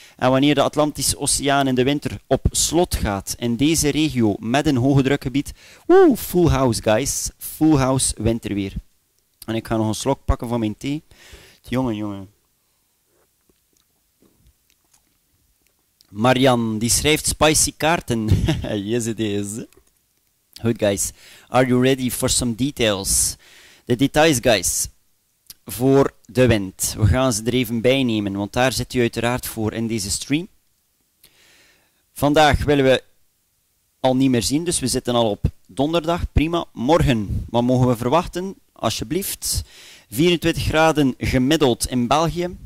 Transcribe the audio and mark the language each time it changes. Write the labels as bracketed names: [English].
[Dutch] En wanneer de Atlantische Oceaan in de winter op slot gaat, in deze regio met een hoge drukgebied, [English] full house, guys. Full house [Dutch] winterweer. En ik ga nog een slok pakken van mijn thee. Jongen. Marian, die schrijft spicy kaarten. [English] Yes, it is. [Dutch] Goed, [English] guys. Are you ready for some details? [Dutch] De details, guys. Voor de wind. We gaan ze er even bij nemen, want daar zit u uiteraard voor in deze stream. Vandaag willen we al niet meer zien, dus we zitten al op donderdag. Prima. Morgen, wat mogen we verwachten? Alsjeblieft. 24 graden gemiddeld in België.